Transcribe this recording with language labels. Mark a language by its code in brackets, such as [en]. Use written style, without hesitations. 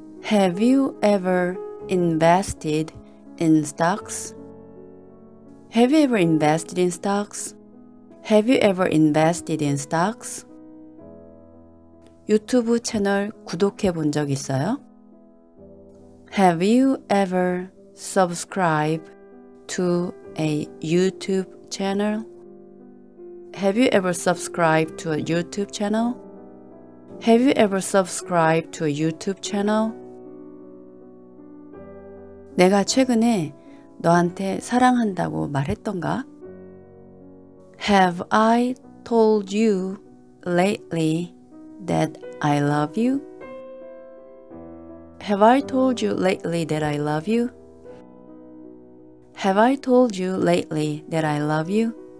[en] Have you ever invested in stocks? Have you ever invested in stocks? Have you ever invested in stocks? [ko] 유튜브 채널 구독해 본 적 있어요? [en] Have you ever subscribed to a YouTube channel? Have you ever subscribed to a YouTube channel? Have you ever subscribed to a YouTube channel? [ko] 내가 최근에 너한테 사랑한다고 말했던가? [en] Have I told you lately that I love you? Have I told you lately that I love you? Have I told you lately that I love you?